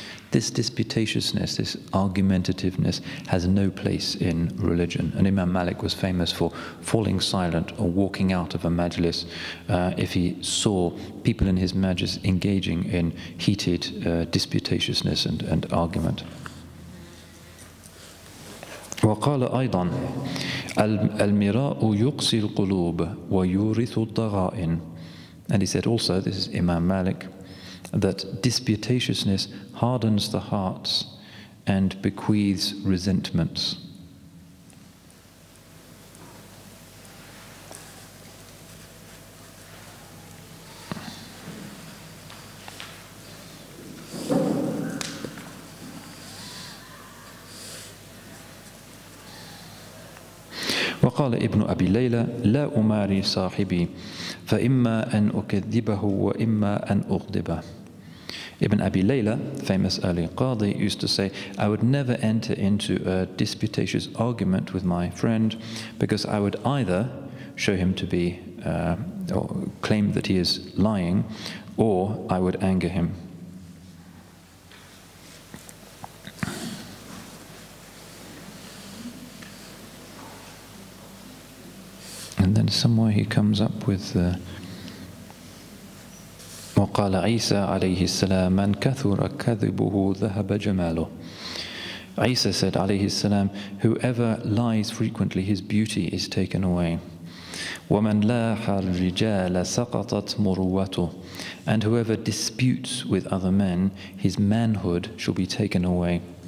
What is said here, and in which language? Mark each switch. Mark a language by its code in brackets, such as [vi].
[en] This disputatiousness, this argumentativeness, has no place in religion. And Imam Malik was famous for falling silent or walking out of a majlis if he saw people in his majlis engaging in heated disputatiousness and argument. [ar] وقال أيضا المراء يقسي القلوب ويورث الضغائن. [en] And he said also, this is Imam Malik, that disputatiousness hardens the hearts and bequeaths resentments. [ar] وقال ابن أبي ليلى لا أماري صاحبي فإما أن أكذبه وإما أن أغضبه. [en] Ibn Abi Layla, famous early Qadi, used to say, I would never enter into a disputatious argument with my friend because I would either show him to be, or claim that he is lying, or I would anger him. And then somewhere he comes up with [ar] وقال عيسى عليه السلام من كثر كذبه ذهب جماله. [en] Isa said, alayhi salam, whoever lies frequently, his beauty is taken away. [ar] وَمَنْ لَاحَ الرِّجَالَ سَقَطَتْ مُرُوَّتُهُ. [en] And whoever disputes with other men, his manhood shall be taken away.